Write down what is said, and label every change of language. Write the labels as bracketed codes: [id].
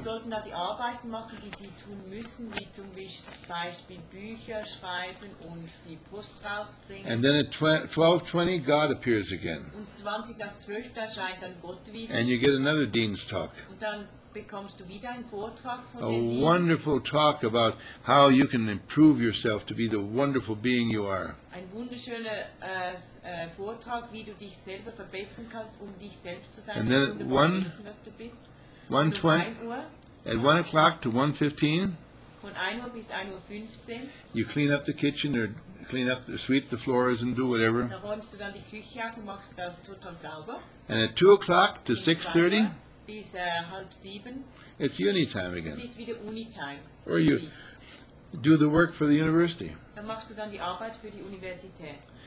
[en] And then at 12:20, God appears again. And you get another dean's talk. [de] becomes wieder ein Vortrag von [en] a wonderful talk about how you can improve yourself to be the wonderful being you are. [de] Ein wunderschöner Vortrag, wie du dich selber verbessern kannst, um dich selbst zu sein. [en] And then at 1 o'clock to 1:15. [de] Von 1 Uhr bis 1:15. [en] You clean up the kitchen or clean up, sweep the floors and do whatever. [de] Da räumst du dann die Küche ab und machst das total sauber. [en] And at 2 o'clock to 6:30. [de] Bis 6:30. [en] It's uni time again. [de] Bis wieder [en] uni time. Or you do the work for the university. [de] Da machst du dann die Arbeit für die Universität.